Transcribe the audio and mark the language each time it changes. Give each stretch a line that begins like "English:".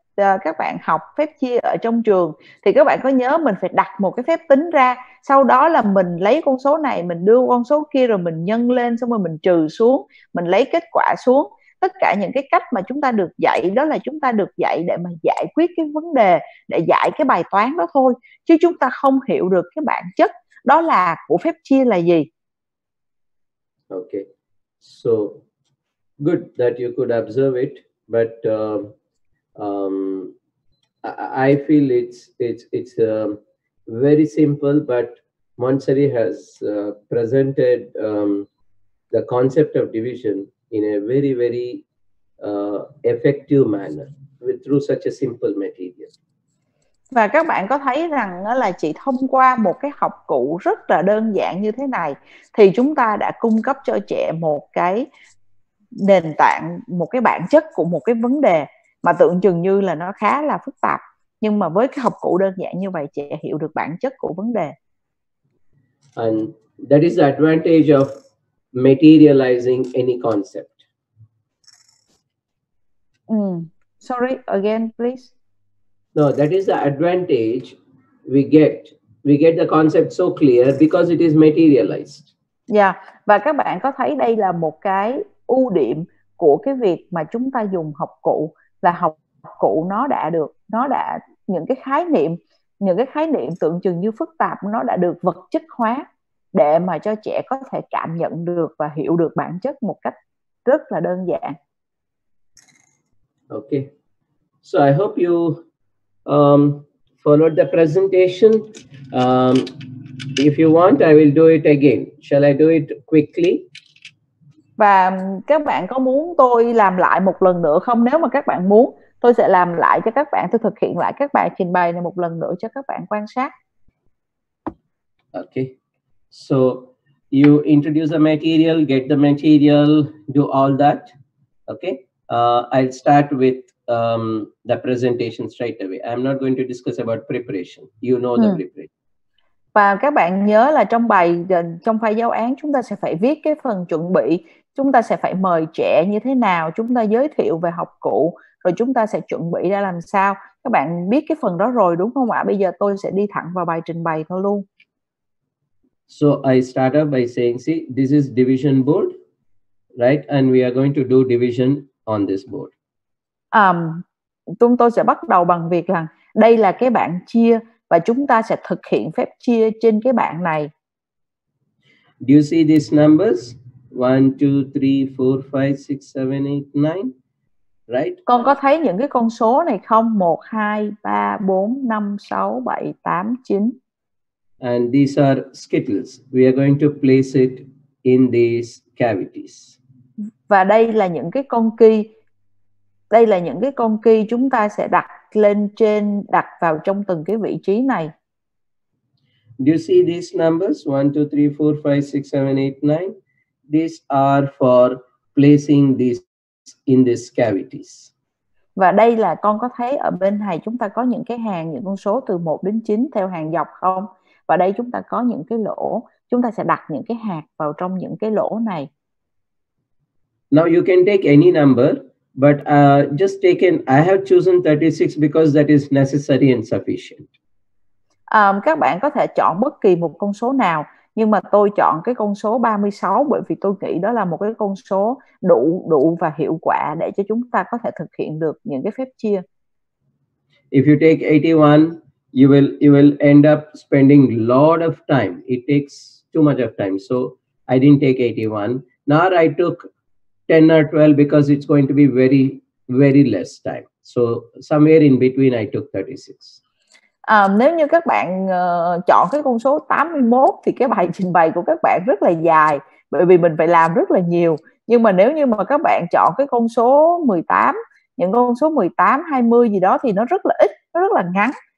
Vietnamese: các bạn học phép chia ở trong trường, thì các bạn có nhớ mình phải đặt một cái phép tính ra, sau đó là mình lấy con số này, mình đưa con số kia, rồi mình nhân lên, xong rồi mình trừ xuống, mình lấy kết quả xuống. Tất cả những cái cách mà chúng ta được dạy đó là chúng ta được dạy để mà giải quyết cái vấn đề, để giải cái bài toán đó thôi, chứ chúng ta không hiểu được cái bản chất đó là của phép chia là gì.
English: Okay, so good that you could observe it, but I feel it's very simple, but Montessori has presented the concept of division in a very, very effective manner with, through such a simple material.
Vietnamese: Và các bạn có thấy rằng là chỉ thông qua một cái học cụ rất là đơn giản như thế này thì chúng ta đã cung cấp cho trẻ một cái nền tảng, một cái bản chất của một cái vấn đề mà tưởng chừng như là nó khá là phức tạp. Nhưng mà với cái học cụ đơn giản như vậy, trẻ hiểu được bản chất của vấn đề.
English: And that is the advantage of materializing any concept. Sorry, again, please. No, that is the advantage we get. We get the concept so clear because it is materialized.
Vietnamese: Yeah, và các bạn có thấy đây là một cái ưu điểm của cái việc mà chúng ta dùng học cụ, là học cụ nó đã được, nó đã những cái khái niệm tưởng chừng như phức tạp, nó đã được vật chất hóa để mà cho trẻ có thể cảm nhận được và hiểu được bản chất một cách rất là đơn giản.
English: Okay, so I hope you followed the presentation. If you want, I will do it again. Shall I do it quickly?
Vietnamese: Và các bạn có muốn tôi làm lại một lần nữa không? Nếu mà các bạn muốn, tôi sẽ làm lại cho các bạn, tôi thực hiện lại các bạn trình bày này một lần nữa cho các bạn quan sát.
English: Okay. So you introduce the material, get the material, do all that. Okay. I'll start with the presentation straight away. I'm not going to discuss about preparation. You know the preparation.
Vietnamese: Và các bạn nhớ là trong bài, trong file giáo án, chúng ta sẽ phải viết cái phần chuẩn bị, chúng ta sẽ phải mời trẻ như thế nào, chúng ta giới thiệu về học cụ, rồi chúng ta sẽ chuẩn bị ra làm sao. Các bạn biết cái phần đó rồi đúng không ạ? Bây giờ tôi sẽ đi thẳng vào bài trình bày thôi luôn.
English: So I start up by saying, see, this is division board, right? And we are going to do division on this board.
Vietnamese: Chúng tôi sẽ bắt đầu bằng việc là đây là cái bảng chia và chúng ta sẽ thực hiện phép chia trên cái bảng này.
English: Do you see these numbers? 1, 2, 3, 4, 5, 6, 7, 8, 9. Right?
Vietnamese: Con có thấy những cái con số này không? 1, 2, 3, 4, 5, 6, 7, 8, 9.
English: And these are skittles. We are going to place it in these cavities.
Vietnamese: Và đây là những cái con ki. Đây là những cái con ki chúng ta sẽ đặt lên trên, đặt vào trong từng cái vị trí này.
English: Do you see these numbers? 1, 2, 3, 4, 5, 6, 7, 8, 9. These are for placing these in these cavities.
Vietnamese: Và đây là con có thấy ở bên này chúng ta có những cái hàng, những con số từ 1 đến 9 theo hàng dọc không? Và đây chúng ta có những cái lỗ. Chúng ta sẽ đặt những cái hạt vào trong những cái lỗ này.
English: Now you can take any number, but just take in, I have chosen 36 because that is necessary and sufficient.
Vietnamese: Các bạn có thể chọn bất kỳ một con số nào. Nhưng mà tôi chọn cái con số 36 bởi vì tôi nghĩ đó là một cái con số đủ và hiệu quả để cho chúng ta có thể thực hiện được những cái phép chia.
English: If you take 81, you will end up spending lot of time. It takes too much of time. So I didn't take 81. Nor I took 10 or 12 because it's going to be very, very less time. So somewhere in between I took 36.
Vietnamese: Nếu như các bạn chọn cái con số 81 thì cái bài trình bày của các bạn rất là dài bởi vì mình phải làm rất là nhiều. Nhưng mà nếu như mà các bạn chọn cái con số 18, những con số 18, 20 gì đó thì nó rất là ít, nó rất là ngắn.